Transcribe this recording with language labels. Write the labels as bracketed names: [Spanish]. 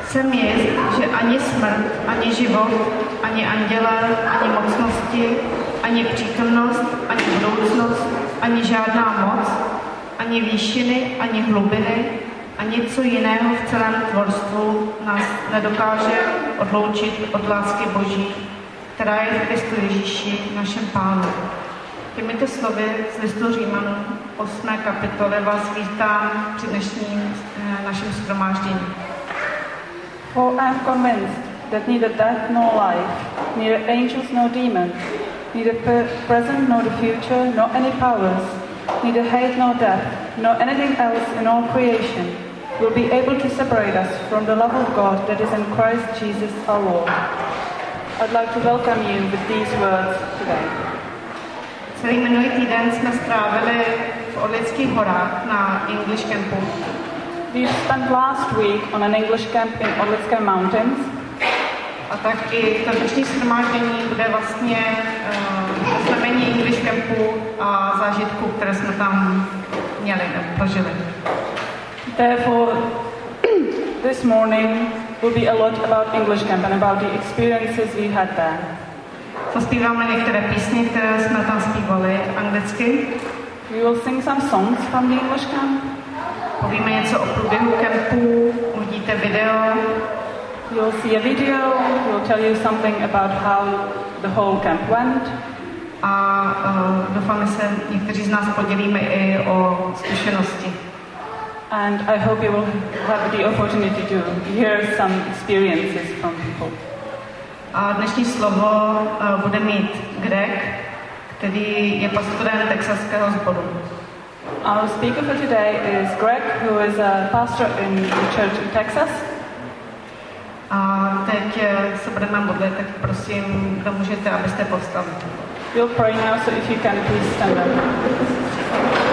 [Czech] Chcem jíst, že ani smrt, ani život, ani anděle, ani mocnosti, ani přítomnost, ani budoucnost, ani žádná moc, ani výšiny, ani hlubiny, ani co jiného v celém tvorstvu nás nedokáže odloučit od lásky Boží, která je v Kristu Ježíši, našem Pánu. Těmito slovy z listu Římanů 8. kapitole vás vítám při dnešním našem shromáždění. [English] For I am convinced that neither death nor life, neither angels nor demons, neither present nor the future, nor any powers, neither height nor depth, nor anything else in all creation, will be able to separate us from the love of God that is in Christ Jesus our Lord. I'd like to welcome you with these words today. [Czech] Celý minulý týden jsme strávili v Orlických horách na English Campu. [English] We spent last week on an English camp in Orlické Mountains. [Czech] A tak i to dnešní shromáždění bude vlastně oslavení English Campu a zážitku, které jsme tam měli a prožili. [English] Therefore, this morning will be a lot about English Camp and about the experiences we had there. [Czech] Zaspíváme některé písně, které jsme tam zpívali anglicky. [English] We will sing some songs from the English Camp. [Czech] Povíme něco o průběhu kempu, uvidíte video. [English] You'll see a video, we'll tell you something about how the whole camp went. [Czech] A doufám, že se někteří z nás podělíme i o zkušenosti. [English] And I hope you will have the opportunity to hear some experiences from people. [Czech] A dnešní slovo bude mít Greg, který je pastorem texaského sboru. [English] Our speaker for today is Greg, who is a pastor in the church in Texas. [Czech] A teď se budeme modlit, tak prosím, kdo můžete, abyste povstali. [English] You'll pray now, so if you can, please stand up.